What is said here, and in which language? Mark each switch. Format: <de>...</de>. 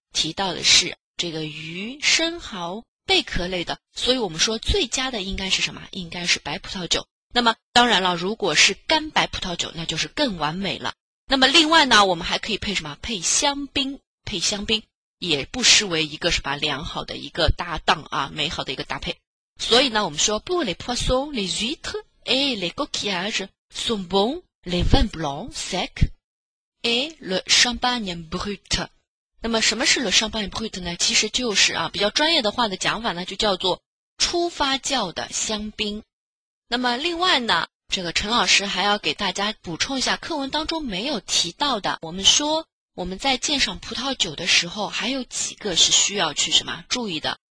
<zh>提到的是这个鱼、生蚝、贝壳类的，所以我们说最佳的应该是什么？应该是白葡萄酒。那么当然了，如果是干白葡萄酒，那就是更完美了。那么另外呢，我们还可以配什么？配香槟，配香槟也不失为一个什么良好的一个搭档啊，美好的一个搭配。所以呢，我们说</zh> <fr>pour les poissons, les huîtres et les coquillages sont bons les vins blancs secs et le champagne brut。</fr> <zh>那么什么是</zh> <fr>le champagne brut</fr> <zh>呢？其实就是啊，比较专业的话的讲法呢，就叫做初发酵的香槟。那么另外呢，这个陈老师还要给大家补充一下课文当中没有提到的，我们说我们在鉴赏葡萄酒的时候还有几个是需要去什么注意的。</zh>